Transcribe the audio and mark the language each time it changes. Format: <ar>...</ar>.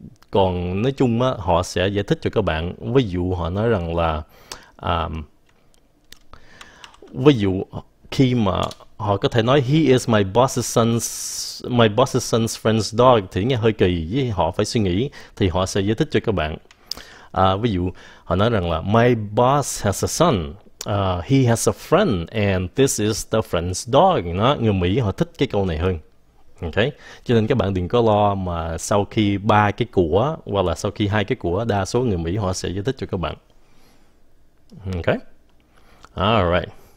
<vi>Còn nói chung á, họ sẽ giải thích cho các bạn. Ví dụ họ nói rằng là ví dụ khi mà họ có thể nói</vi> <en>he is my boss's son's friend's dog</en> <vi>thì nghe hơi kỳ, với họ phải suy nghĩ thì họ sẽ giải thích cho các bạn. Ví dụ họ nói rằng là</vi> <en>my boss has a son, he has a friend and this is the friend's dog.</en> <vi>Nó người Mỹ họ thích cái câu này hơn. Ok, cho nên các bạn đừng có lo mà sau khi ba cái của hoặc là sau khi hai cái của, đa số người Mỹ họ sẽ giải thích cho các bạn.</vi> <en>Ok, alright.</en>